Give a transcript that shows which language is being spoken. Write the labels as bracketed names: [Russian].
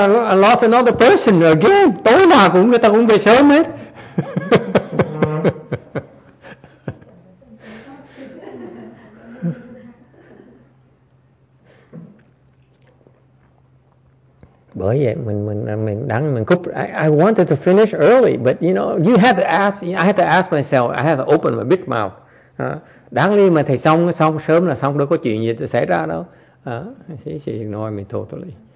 [English] I lost another person again. [Vietnamese] Tối nào cũng người ta cũng về sớm hết. Bởi vậy mình đắng mình cúp. [English] I wanted to finish early, but you know, you had to ask. I had to ask myself. I had to open my big mouth. [Vietnamese] Đáng lý mà thầy xong sớm là xong, đâu có chuyện gì xảy ra đâu. [English] She ignored me totally.